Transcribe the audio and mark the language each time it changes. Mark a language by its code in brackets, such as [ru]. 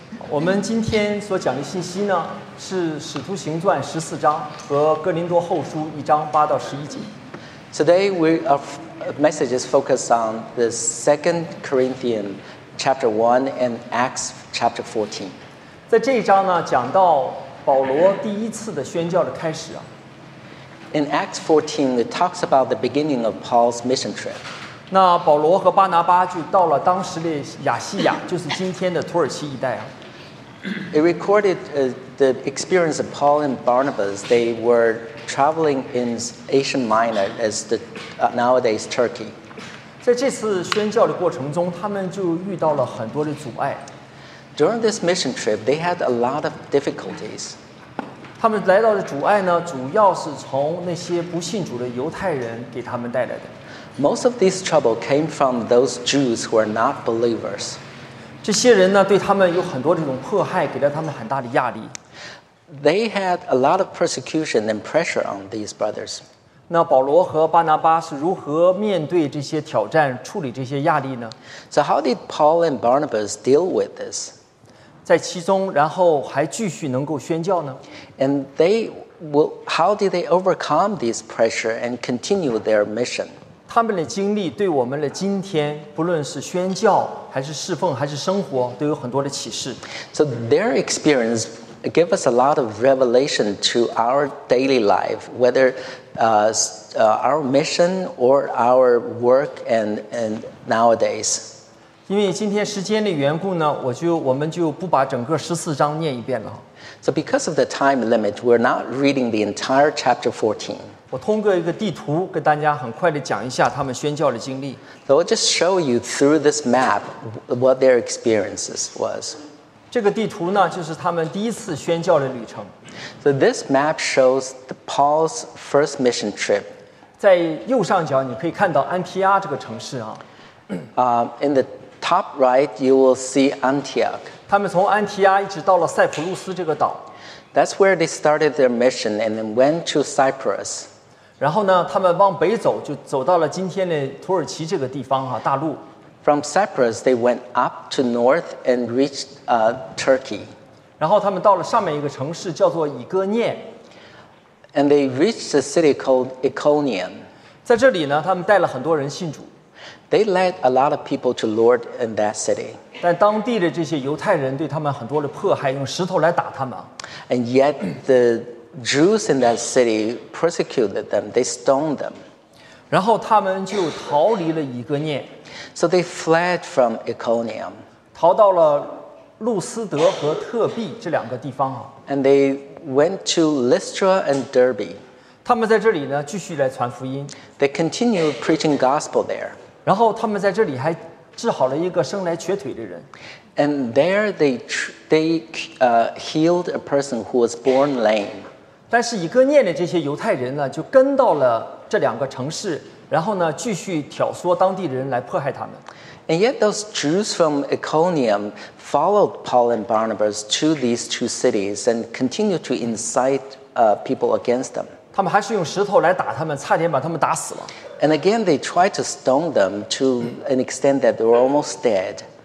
[zh] 我们今天所讲的信息呢，是《使徒行传》十四章和《哥林多后书》一章八到十一节。 [en] Today, our message is focused on the Second Corinthians chapter 1 and Acts chapter 14. [zh] 在这一章呢，讲到保罗第一次的宣教的开始啊。 [en] In Acts 14, it talks about the beginning of Paul's mission trip. [zh] 那保罗和巴拿巴就到了当时的亚细亚，就是今天的土耳其一带啊。 [en] It recorded the experience of Paul and Barnabas. They were traveling in Asia Minor, as the nowadays Turkey. [zh] 在这次宣教的过程中，他们就遇到了很多的阻碍。 [en] During this mission trip, they had a lot of difficulties. [zh] 他们来到的阻碍呢，主要是从那些不信主的犹太人给他们带来的。 [en] Most of these trouble came from those Jews who are not believers. [zh] 这些人呢，对他们有很多这种迫害，给了他们很大的压力。 [en] They had a lot of persecution and pressure on these brothers. [zh] 那保罗和巴拿巴是如何面对这些挑战，处理这些压力呢？ [en] So how did Paul and Barnabas deal with this? [zh] 在其中，然后还继续能够宣教呢？ [en] And they will, how did they overcome this pressure and continue their mission? [zh] 他们的经历对我们的今天，不论是宣教，还是侍奉，还是生活，都有很多的启示。 [en] So their experience give us a lot of revelation to our daily life, whether our mission or our work and nowadays. [zh] 因为今天时间的缘故呢，我们就不把整个十四章念一遍了。 [en] So because of the time limit, we're not reading the entire chapter 14. [zh] 我通过一个地图跟大家很快地讲一下他们宣教的经历。 [en] So I'll just show you through this map what their experiences was. [zh] 这个地图呢，就是他们第一次宣教的旅程。 [en] So this map shows Paul's first mission trip. [zh] 在右上角你可以看到安提阿这个城市啊。 [en] In the top right, you will see Antioch. [zh] 他们从安提阿一直到了塞浦路斯这个岛。 [en] That's where they started their mission and then went to Cyprus. [zh] 然后呢，他们往北走，就走到了今天的土耳其这个地方啊，大陆。 [en] From Cyprus, they went up to north and reached Turkey. [zh] 然后他们到了上面一个城市叫做以哥念。 [en] And they reached a city called Iconium. [zh] 在这里呢，他们带了很多人信主。 [en] They led a lot of people to Lord in that city. [zh] 但当地的这些犹太人对他们很多的迫害，用石头来打他们。 [en] And yet the Jews in that city persecuted them. They stoned them. [zh] 然后他们就逃离了以哥念。 [en] So they fled from Iconium. [zh] 逃到了路斯德和特庇这两个地方啊。 [en] And they went to Lystra and Derbe. [zh] 他们在这里呢，继续来传福音。 [en] They continued preaching gospel there. [zh] 然后他们在这里还治好了一个生来瘸腿的人。 [en] And there they healed a person who was born lame. [zh] 但是以哥念的这些犹太人呢，就跟到了这两个城市。然后呢，继续挑唆当地的人来迫害他们。 [en] And yet those Jews from Iconium followed Paul and Barnabas to these two cities and continued to incite people against them. [zh] 他们还是用石头来打他们，差点把他们打死了。 [en] And again, they tried to stone them to an extent that they were almost dead.